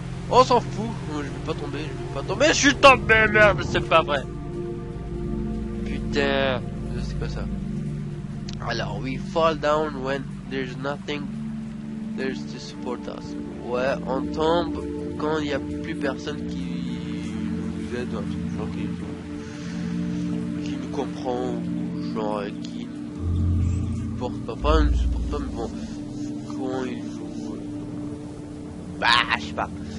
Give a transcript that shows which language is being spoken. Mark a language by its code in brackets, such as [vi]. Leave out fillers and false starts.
[fr] On s'en fout, je vais pas tomber, je vais pas tomber. Je suis tombé, merde, c'est pas vrai. Putain, c'est quoi ça? [en] Alors, we fall down when there's nothing there to support us. [fr] Ouais, on tombe quand il n'y a plus personne qui nous aide, un truc, genre qui nous comprend, ou genre qui nous supporte pas, enfin, nous supporte pas, mais bon, comment ils font. Bah, je sais pas.